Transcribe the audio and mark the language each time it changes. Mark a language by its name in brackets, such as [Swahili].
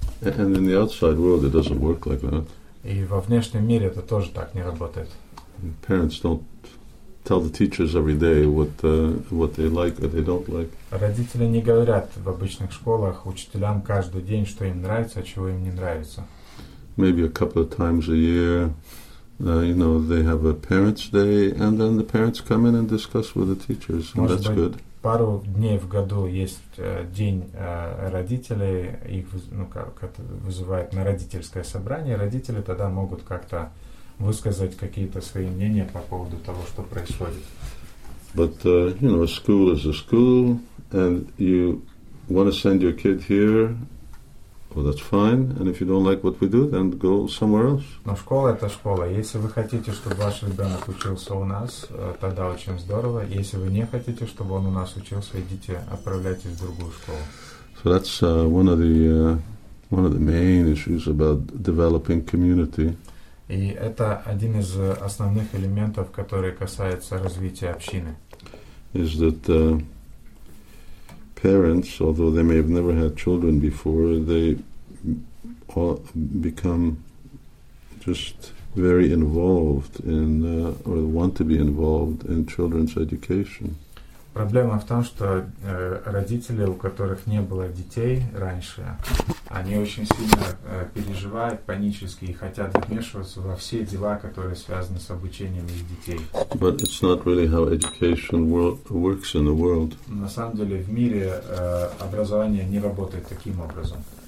[English] And in the outside world it doesn't work like that. [Russian] И во внешнем мире это тоже так не работает. [English] Parents don't tell the teachers every day what they like or they don't like. [Russian] Родители не говорят в обычных школах учителям каждый день, что им нравится, а чего им не нравится. [English] Maybe a couple of times a year, you know, they have a parents' day, and then the parents come in and discuss with the teachers, and [Russian] может [English] that's good. [Russian] Пару дней в году есть день родителей, их вызывают на родительское собрание. Родители тогда могут как-то высказать какие-то свои мнения по поводу того, что происходит. [English] But you know, a school is a school, and you want to send your kid here. Well, that's fine. And if you don't like what we do, then go somewhere else. [Russian] Но школа это школа. Если вы хотите, чтобы ваш ребенок учился у нас, тогда очень здорово. Если вы не хотите, чтобы он у нас учился, идите, отправляйтесь в другую школу. [English] So that's one of the main issues about developing community. [Russian] И это один из основных элементов, который касается развития общины. [English] Is that parents, although they may have never had children before, they become just very involved in, or want to be involved in children's education. [Russian] Проблема в том, что родители, у которых не было детей раньше, они очень сильно переживают панически и хотят вмешиваться во все дела, которые связаны с обучением их детей. [English] But it's not really how education works in the world. [Russian] На самом деле в мире образование не работает таким образом.